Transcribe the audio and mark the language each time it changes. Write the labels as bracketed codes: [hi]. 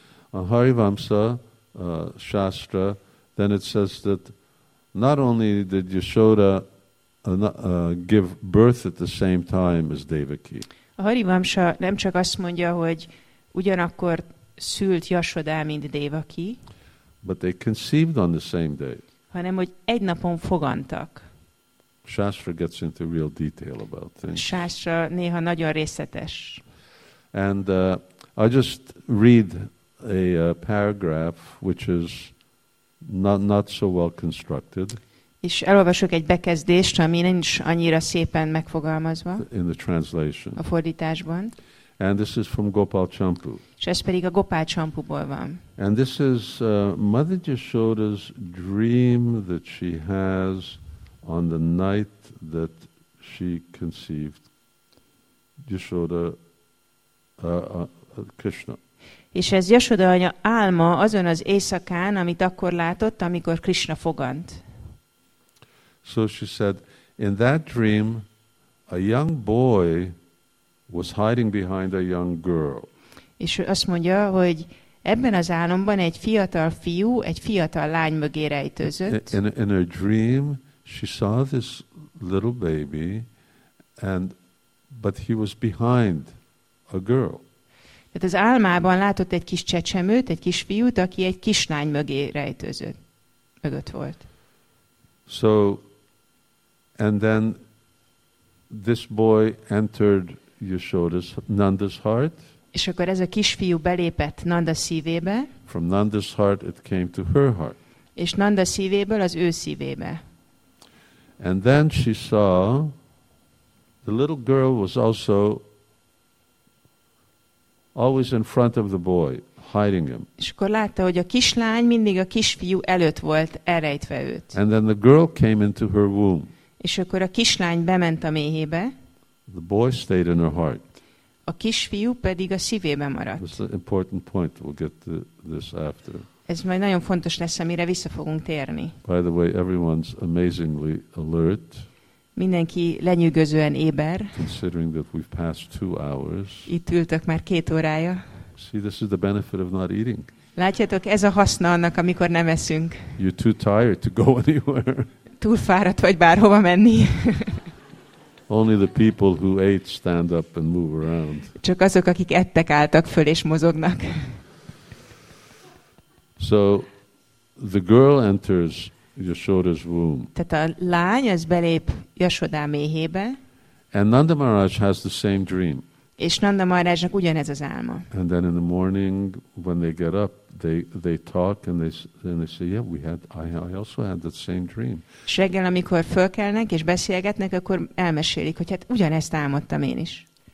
[en] On Harivamsa Shastra, then it says that not only did Yashoda give birth at the same time as Devaki. [hu] A Harivamsa nem csak azt mondja, hogy ugyanakkor szült Yashoda, mint Devaki. [en] But they conceived on the same day. [hu] Hanem, hogy egy napon fogantak. [en] Shastra gets into real detail about things. [hu] Shastra néha nagyon részletes. [en] And I just read a paragraph which is not so well constructed. [hu] És elolvasok egy bekezdést, ami nincs annyira szépen megfogalmazva. [en] In the translation. [hu] A fordításban. [en] And this is from Gopal Champu. [hu] És ez pedig a Gopal Champuból van. [en] And this is Mother Yashoda's dream that she has on the night that she conceived Yashoda Krishna. [hu] És ez Yashoda anya álma azon az éjszakán, amit akkor látott, amikor Krishna fogant. [en] So she said, in that dream, a young boy was hiding behind a young girl. [hu] És azt mondja, hogy ebben az álomban egy fiatal fiú, egy fiatal lány mögé rejtőzött. [en] In her dream, she saw this little baby, but he was behind a girl. [hu] Tehát az álmában látott egy kis csecsemőt, egy kis fiút, aki egy kislány mögé rejtőzött, mögött volt. [en] So, and then this boy entered Yashoda's, Nanda's heart. [hu] És akkor ez a kisfiú belépett Nanda szívébe. [en] From Nanda's heart it came to her heart. [hu] És Nanda szívéből az ő szívébe. [en] And then she saw the little girl was also always in front of the boy, hiding him. [hu] És akkor látta, hogy a kislány mindig a kisfiú előtt volt, elrejtve őt. [en] And then the girl came into her womb. [hu] És akkor a kislány bement a méhébe. [en] The boy stayed in her heart. [hu] A kisfiú pedig a szívébe maradt. [en] This is an important point. We'll get to this after. [hu] Ez majd nagyon fontos lesz, amire vissza fogunk térni. [en] By the way, everyone's amazingly alert. [hu] Mindenki lenyűgözően éber. [en] Considering that we've passed 2 hours. [hu] Itt ültök már 2 órája. [en] See, this is the benefit of not eating. [hu] Látjátok, ez a haszna annak, amikor nem eszünk. [en] You're too tired to go anywhere. [hu] Túl fáradt vagy bárhova menni. [en] Only the people who ate stand up and move around. [hu] Csak azok, akik ettek, álltak föl és mozognak. [en] So the girl enters Yashoda's womb. [hu] Tehát a lány az belép Yashoda méhébe. [en] And Nanda Maharaj has the same dream. [hu] És Nanda Maharajnak ugyanez az álma. [en] And then in the morning when they get up, they talk and they say, yeah, I also had that same dream. [hu] És reggel, amikor fölkelnek és beszélgetnek, akkor elmesélik, hogy hát ugyanezt álmodtam én is.